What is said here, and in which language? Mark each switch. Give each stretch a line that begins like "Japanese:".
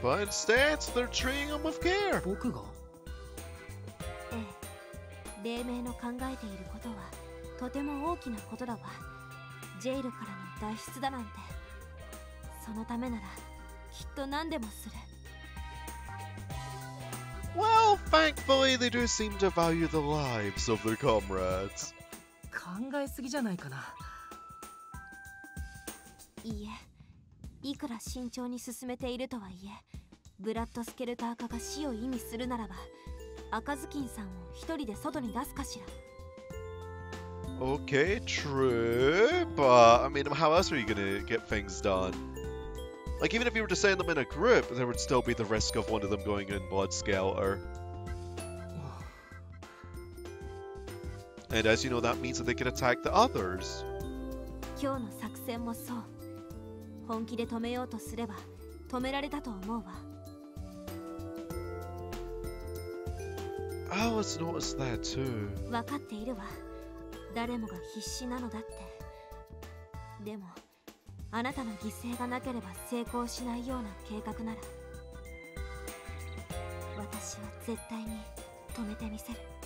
English: But instead, they're treating him with care.
Japanese: 僕が？ええ、黎明の考えていることはとても大きなことだわ。ジェイルからの脱出だなんて、そのためならきっと何でもする。
English: Well, thankfully, they do seem to value the lives of their comrades.
Japanese: 考えすぎじゃないかな。いいえ、いくら慎重に進めているとはいえ、ブラッドスケルター化が死を意味するならば、赤ずきんさんを一人で外に出すかしら。
English: Okay, true, but I mean, how else are you gonna get things done? Like, even if you were to send them in a group, there would still be the risk of one of them going in Blood Skelter. And as you know, that means that they can attack the others.
Japanese: 今日の作戦もそう。本気で止めようとすれば、止められたと思うわ。
English: I was noticed that too.
Japanese: 分かっているわ。誰もが必死なのだって。でも、あなたの犠牲がなければ成功しないような計画なら、私は絶対に止めてみせる。